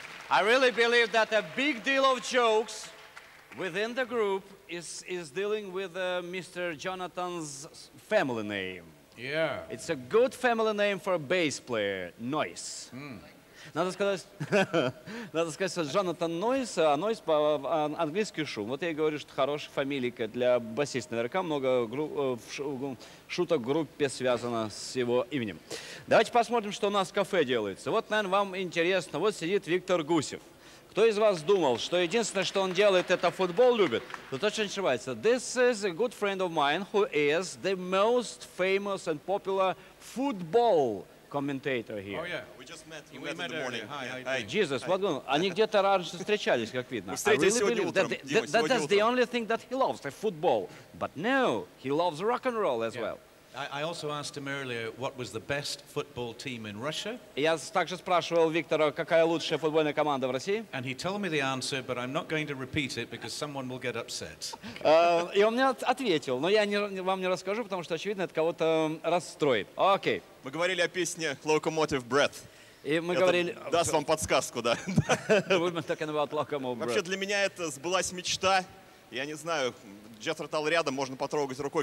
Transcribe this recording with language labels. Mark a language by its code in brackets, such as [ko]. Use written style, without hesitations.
[en] I really believe that a big deal of jokes within the group is dealing with Mr. Jonathan's family name. Yeah. It's a good family name for a bass player, Noyce. Mm. [ru] Надо сказать, что Джонатан Нойс, а Нойс английский шум. Вот я и говорю, что хорошая фамилия для басиста. Наверняка много шуток в группе связано с его именем. Давайте посмотрим, что у нас в кафе делается. Вот, наверное, вам интересно. Вот сидит Виктор Гусев. Кто из вас думал, что единственное, что он делает, это футбол любит? Тут очень ошибается. [en] This is a good friend of mine who is the most famous and popular football commentator here. Oh yeah, we just met. We met in the morning. Hi. Jesus, what? [ru] Они где-то раньше встречались, как видно. Мы встретились сегодня утром. [en] That's the only thing that he loves, the football. But no, he loves rock and roll as well. I also asked him earlier what was the best football team in Russia. [ru] Я также спрашивал Виктора, какая лучшая футбольная команда в России. [en] And he told me the answer, but I'm not going to repeat it because someone will get upset. [ru] И он мне ответил, но я вам не расскажу, потому что очевидно, это кого-то расстроит. Окей. Мы говорили о песне Locomotive Breath. И мы говорили. Даст вам подсказку, да. [en] We're talking about Locomotive Breath. [ru] Вообще для меня это сбылась мечта. Я не знаю. Jethro Tull рядом, можно потрогать рукой.